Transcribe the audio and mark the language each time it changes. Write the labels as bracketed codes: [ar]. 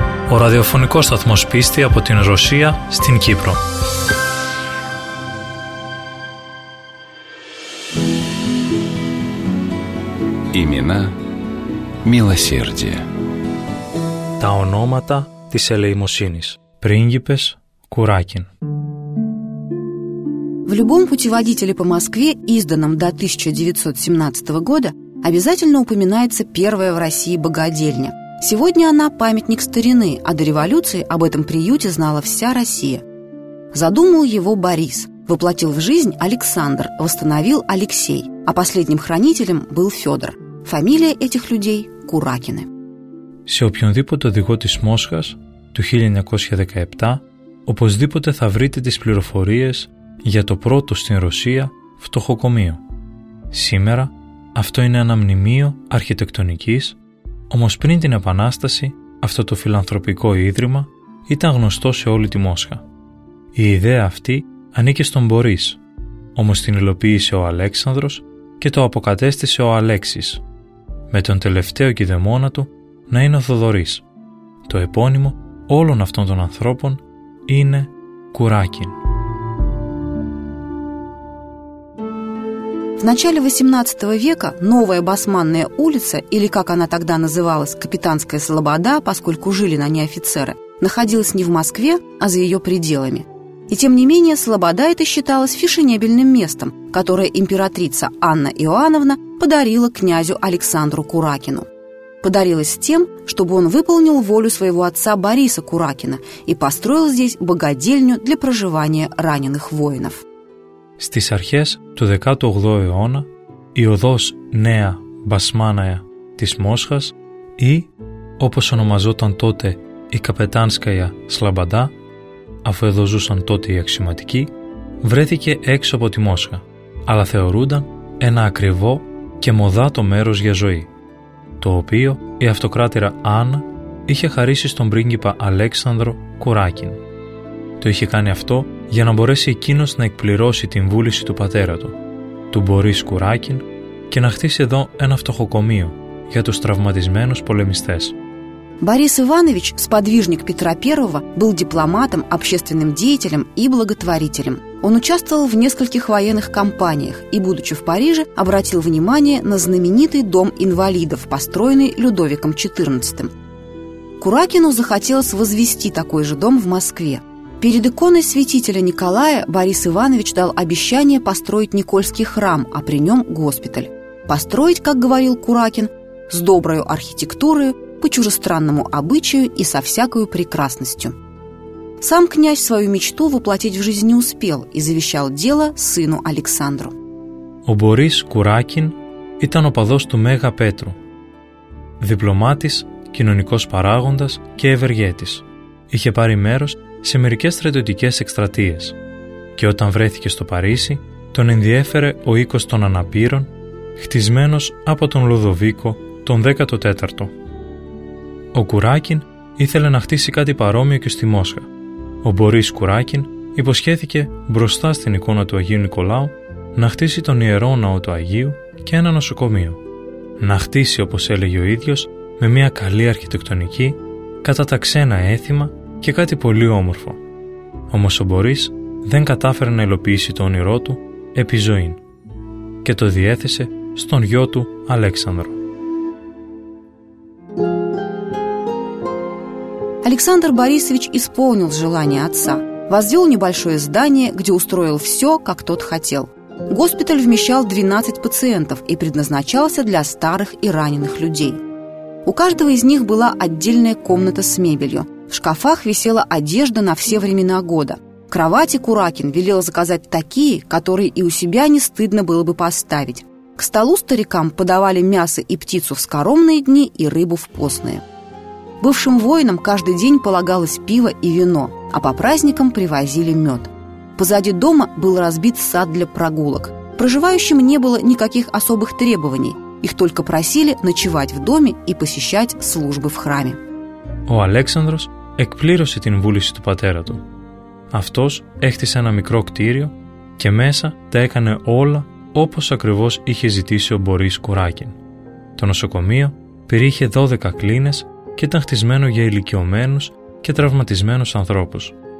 [el] Ο ραδιοφωνικός σταθμός πίστη από την Ρωσία στην Κύπρο. [ru] Имена милосердия. [el] Τα ονόματα της ελεημοσύνης. Πρίγκιπες Κουράκιν. [ru] В любом путеводителе по Москве, изданном до 1917 года, обязательно упоминается первая в России богадельня. Сегодня она памятник старины, а до революции об этом приюте знала вся Россия. Задумал его Борис, воплотил в жизнь Александр, восстановил Алексей, а последним хранителем был Федор. Фамилия этих людей – Куракины. [el] σε οποιονδήποτε οδηγό της Μόσχας του 1917 οπωσδήποτε θα βρείτε τις πληροφορίες για το πρώτο στην Ρωσία φτωχοκομείο. Σήμερα αυτό είναι ένα μνημείο αρχιτεκτονικής, όμως πριν την Επανάσταση αυτό το φιλανθρωπικό ίδρυμα ήταν γνωστό σε όλη τη Μόσχα. Η ιδέα αυτή ανήκε στον Μπορίς, όμως την υλοποίησε ο Αλέξανδρος και το αποκατέστησε ο Αλέξης, με τον τελευταίο κηδεμόνα του να είναι ο Θοδωρής. Το επώνυμο όλων αυτών των ανθρώπων είναι Κουράκιν. [ru] В начале XVIII века новая Басманная улица, или как она тогда называлась, Капитанская Слобода, поскольку жили на ней офицеры, находилась не в Москве, а за ее пределами. И тем не менее, Слобода это считалось фешенебельным местом, которое императрица Анна Иоанновна подарила князю Александру Куракину. Подарилась тем, чтобы он выполнил волю своего отца Бориса Куракина и построил здесь богадельню для проживания раненых воинов. [el] Στις αρχές του 18ου αιώνα, η οδός Νέα Μπασμάναια της Μόσχας ή, όπως ονομαζόταν τότε, η Καπετάνσκαια Σλαμπαντά, αφού εδώ ζούσαν τότε οι αξιωματικοί, βρέθηκε έξω από τη Μόσχα, αλλά θεωρούνταν ένα ακριβό και μοδάτο μέρος για ζωή, το οποίο η αυτοκράτηρα Άννα είχε χαρίσει στον πρίγκιπα Αλέξανδρο Κουράκιν. Το είχε κάνει αυτό για να μπορέσει εκείνος να εκπληρώσει την βούληση του πατέρα του, του Μπορίς Κουράκιν, και να χτίσει εδώ ένα φτωχοκομείο για τους τραυματισμένους πολεμιστές. [ru] Борис Иванович, сподвижник Петра I, был дипломатом, общественным деятелем и благотворителем. Он участвовал в нескольких военных кампаниях и, будучи в Париже, обратил внимание на знаменитый дом инвалидов, построенный Людовиком XIV. Куракину захотелось возвести такой же дом в Москве. Перед иконой святителя Николая Борис Иванович дал обещание построить Никольский храм, а при нем госпиталь. Построить, как говорил Куракин, с доброю архитектурой, по чужестранному обычаю и со всякою прекрасностью. Сам князь свою мечту воплотить в жизнь не успел и завещал дело сыну Александру. [el] Ο Борис Куракин ήταν ο παδός του Μέγα Πέτρου, διπλωμάτης, κοινωνικός παράγοντας και ευεργέτης. Είχε πάρει μέρος σε μερικές στρατιωτικές εκστρατείες και όταν βρέθηκε στο Παρίσι τον ενδιέφερε ο οίκος των αναπήρων χτισμένος από τον Λουδοβίκο τον 14ο. Ο Κουράκιν ήθελε να χτίσει κάτι παρόμοιο και στη Μόσχα. Ο Μπορίς Κουράκιν υποσχέθηκε μπροστά στην εικόνα του Αγίου Νικολάου να χτίσει τον Ιερό Ναό του Αγίου και ένα νοσοκομείο. Να χτίσει, όπως έλεγε ο ίδιος, με μια καλή αρχιτεκτονική, κατά τα ξένα έθιμα και κάτι πολύ όμορφο. Όμως ο Μπορίς δεν κατάφερε να υλοποιήσει το όνειρό του επί ζωήν και το διέθεσε στον γιο του Αλέξανδρο. [ru] Александр Борисович исполнил желание отца, возвел небольшое здание, где устроил все, как тот хотел. Госпиталь вмещал 12 пациентов и предназначался для старых и раненых людей. У каждого из них была отдельная комната с мебелью. В шкафах висела одежда на все времена года. Кровати Куракин велел заказать такие, которые и у себя не стыдно было бы поставить. К столу старикам подавали мясо и птицу в скоромные дни и рыбу в постные. Бывшим воинам каждый день полагалось пиво и вино, а по праздникам привозили мед. Позади дома был разбит сад для прогулок. Проживающим не было никаких особых требований. Их только просили ночевать в доме и посещать службы в храме. [el] Ο Αλέξανδρος εκπλήρωσε την βούληση του πατέρα του. Αυτός έχτισε ένα μικρό κτίριο και μέσα τα έκανε όλα όπως ακριβώς είχε ζητήσει ο Μπορίς Κουράκιν. Το νοσοκομείο περιείχε 12 κλίνες και ήταν χτισμένο για ηλικιωμένους και τραυματισμένους ανθρώπους.